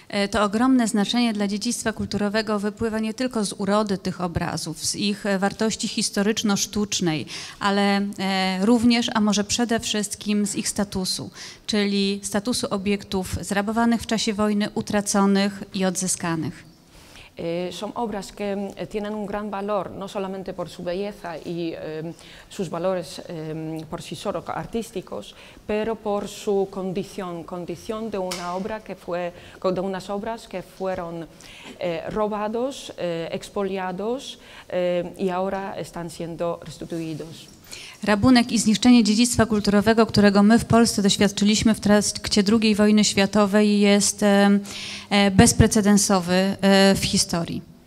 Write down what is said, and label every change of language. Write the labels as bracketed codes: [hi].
[pl] To ogromne znaczenie dla dziedzictwa kulturowego wypływa nie tylko z urody tych obrazów, z ich wartości historyczno-sztucznej, ale również, a może przede wszystkim, z ich statusu, czyli statusu obiektów zrabowanych w czasie wojny, utraconych i odzyskanych. Są obrazy, które mają [es] gran valor, no solamente por su belleza y sus valores por sí solo artísticos, pero por su condición de una obra que fue, de unas obras que fueron robados, expoliados y ahora están siendo restituidos. [pl] Rabunek i zniszczenie dziedzictwa kulturowego, którego my w Polsce doświadczyliśmy w trakcie II wojny światowej, jest bezprecedensowy w historii.